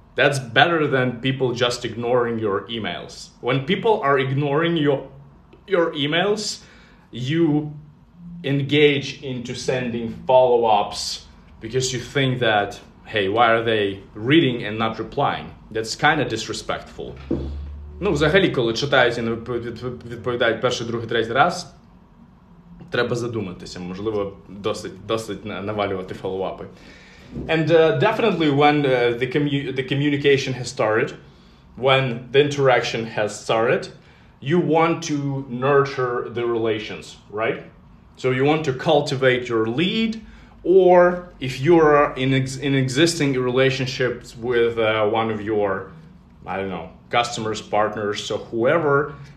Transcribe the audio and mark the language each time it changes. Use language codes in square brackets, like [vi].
[en] That's better than people just ignoring your emails. When people are ignoring your emails, you engage into sending follow-ups, because you think that, hey, why are they reading and not replying? That's kind of disrespectful. [uk] Ну, взагалі, коли читають і не відповідають перший, другий, третій раз, треба задуматися. Можливо, досить навалювати follow-upи. [en] And definitely when the communication has started, when the interaction has started, you want to nurture the relations, right? So you want to cultivate your lead, or if you are in existing relationships with one of your, I don't know, customers, partners, so whoever,